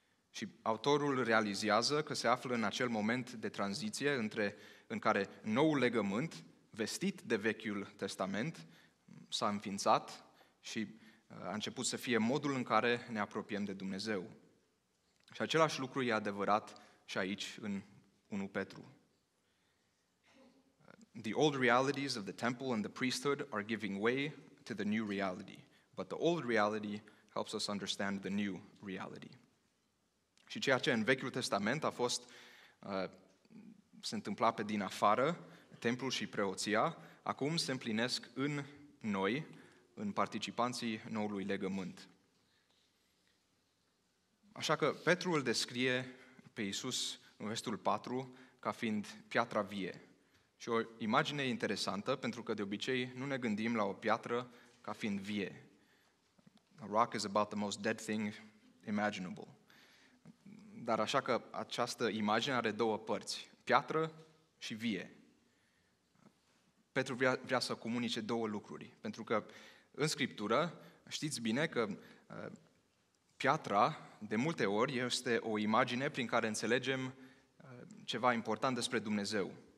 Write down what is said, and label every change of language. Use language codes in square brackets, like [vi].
[ro] Și autorul realizează că se află în acel moment de tranziție în care noul legământ, vestit de Vechiul Testament, s-a înființat și a început să fie modul în care ne apropiem de Dumnezeu. Și același lucru e adevărat și aici, în 1 Petru. [en] The old realities of the temple and the priesthood are giving way to the new reality, but the old reality helps us understand the new reality. [ro] Și ceea ce în Vechiul Testament a fost, se întâmpla pe din afară, templul și preoția, acum se împlinesc în noi, în participanții noului legământ. Așa că Petru îl descrie pe Iisus în versetul 4 ca fiind piatra vie. Și o imagine interesantă, pentru că de obicei nu ne gândim la o piatră ca fiind vie. [en] A rock is about the most dead thing imaginable. [ro] Dar așa că această imagine are două părți, piatră și vie. Petru vrea să comunice două lucruri, pentru că în Scriptură știți bine că piatra de multe ori este o imagine prin care înțelegem ceva important despre Dumnezeu.